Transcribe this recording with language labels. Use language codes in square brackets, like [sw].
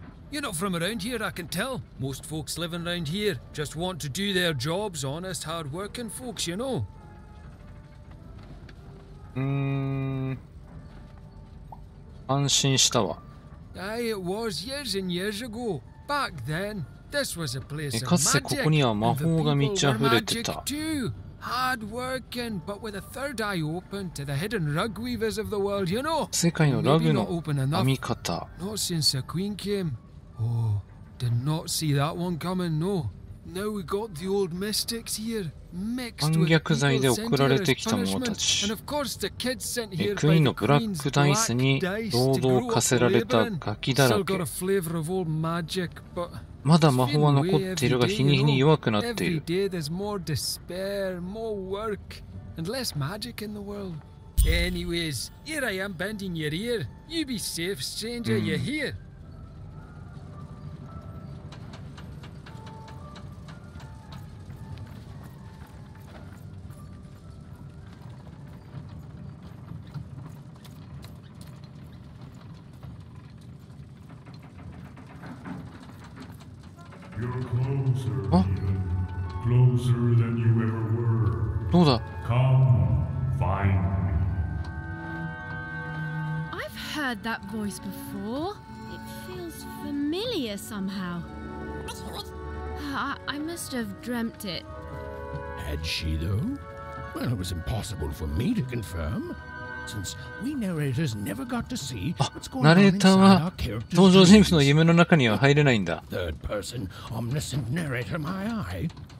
[en] You're not from around here, I can tell. Most folks living around here just want to do their jobs, honest, hard-working folks, you know. [ja] 安心したわ。 [en] Aye, it was years and years ago. Back then, this was a place of magic. [ja] ここには魔法が満ち溢れてた。 [en] Hard working, but with a third eye open to the hidden rug weavers of the world, you know. [ja] 世界のラグの編み方。 [en] Not since the queen came. Oh, did not see that one coming, no. Now we got the old mystics here, mixed with people sent here as punishment. And of course, the kids sent here by the queen's black dice to grow up and live in. Still got a flavor of old magic, but... [ja] まだ魔法は残っているが日に日に弱くなっている。 [en] Every day there's more despair, more work, and less magic in the world. Anyways, here I am bending your ear. You be safe, stranger, you hear? Closer than you ever were. [ja] どうだ? [en] Come, find me. I've heard that voice before. It feels familiar somehow. I must have dreamt it. Had she though? Well, it was impossible for me to confirm. Since we narrators never got to see what's going on inside our characters. [ja] 登場人物の夢の中には入れないんだ。 [en] Third person, omniscient narrator, my eye.